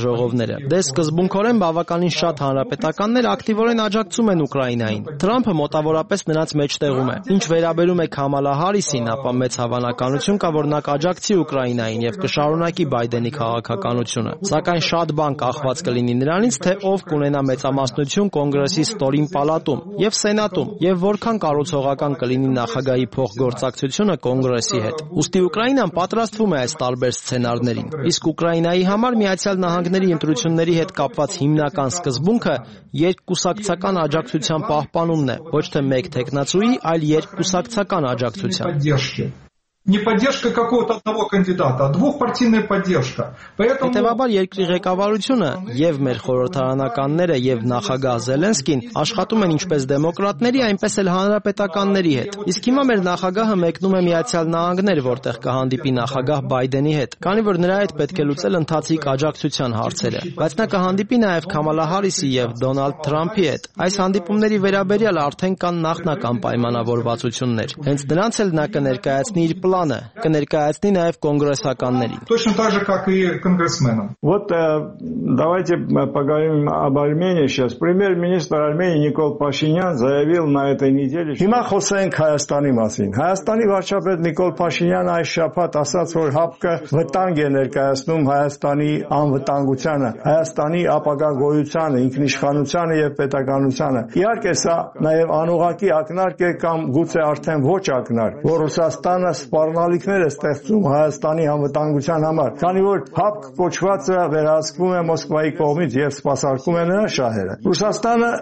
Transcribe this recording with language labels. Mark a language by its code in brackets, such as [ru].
[hy] ժողովները։ Դե սկզբունքորեն բավականին շատ հանրապետականներ ակտիվորեն աջակցում են Ուկրաինային։ Թրամփը մոտավորապես նրանց մեջտեղում է։ Ինչ վերաբերում է Քամալա Հարիսին, ապա մեծ հավանականություն կա, որ նա կաջակցի Ուկրաինային և կշարունակի Բայդենի քաղաքականությունը։ Սակայն շատ բան կախված կլինի նրանից, թե ով կունենա մեծամասնություն Կոնգրեսի ստորին պալատում և Սենատում, և որքան կարուցողական կլինի նախագահի փոխգործակցությունը Կոնգրեսի հետ։ Ուստի Ուկրաինան պատրաստվում է այս տարբեր սցենարներին։ Իսկ Ուկրաինայի համար Միացյալ Նահանգների ընտրությունների հետ կապված հիմնական սկզբունքը երկկուսակցական աջակցության պահպանումն է, ոչ թե մեկ թեկնածուի, այլ երկկուսակցական աջակցության։ [ru] Не поддержка какого-то одного кандидата, а двухпартийная поддержка. Поэтому [hy] Տեվաբար երկրի ղեկավարությունը եւ մեր խորհրդարանականները եւ նախագահ Զելենսկին աշխատում են ինչպես դեմոկրատների, այնպես էլ հանրապետականների հետ։ Իսկ հիմա մեր նախագահը մեկնում է Միացյալ Նահանգներ, որտեղ կհանդիպի նախագահ Բայդենի հետ, քանի որ նրա հետ պետք է լուծել ընթացիկ աջակցության հարցերը, բայց նա կհանդիպի նաեւ Քամալա Հարիսի եւ Դոնալդ Թրամփի հետ։ Այս հանդիպումների վերաբերյալ արդեն կան նախնական պայմանավորվածություններ, հենց դրանց էլ նա կներկայացնի իր плана կներկայացնի նաև կոնգրեսականներին։ [ru] Точно так же, как и конгрессменам. Вот давайте поговорим об Армении сейчас. Премьер-министр Армении Никол Пашинян заявил на этой неделе, [hy] что Հիմա խոսենք Հայաստանի մասին։ Հայաստանի վարչապետ Նիկոլ Փաշինյանը այս շաբաթ ասաց, որ ՀԱՊԿ-ը վտանգ է ներկայացնում Հայաստանի անվտանգությանը, Հայաստանի ապագա գոյությանը, ինքնիշխանությանը եւ պետականությանը։ Իհարկե սա նաև անուղակի ակնարկ է կամ գուցե արդեն ոչ ակնարկ, որ Ռուսաստանը սպառնալիքներ է ստեղծում Հայաստանի անվտանգության համար, քանի որ ՀԱՊԿ կոչվածը վերահսկվում է Մոսկվայի կողմից եւ սպասարկում է նրա շահերը։ Ռուսաստանը